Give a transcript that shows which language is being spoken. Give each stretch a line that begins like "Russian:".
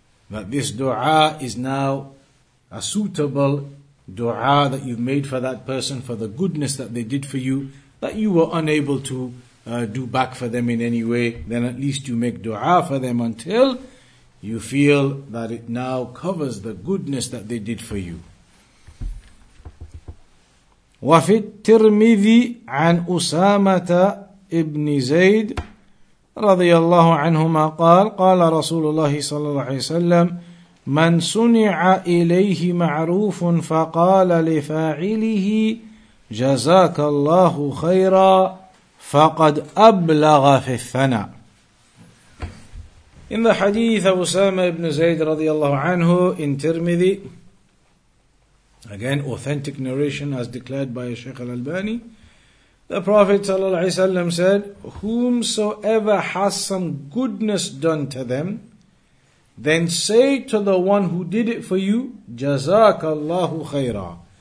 English: That this dua is now a suitable dua that you've made for that person for the goodness that they did for you, that you were unable to do back for them in any way, then at least you make dua for them until you feel that it now covers the goodness that they did for you.
Arabic: وفي الترمذي عن أسامة ابن زيد رضي الله عنهما قال قال رسول الله صلى الله عليه وسلم من صنع إليه معروف فقال لفاعله جزاك الله خيرا فقد أبلغ في الثناء.
English: In the hadith of Usama ibn Zayd radiyallahu anhu in Tirmidhi, again authentic narration as declared by Shaykh al-Albani, the Prophet sallallahu alayhi wa sallam said, whomsoever has some goodness done to them, then say to the one who did it for you, Jazakallahu khayra.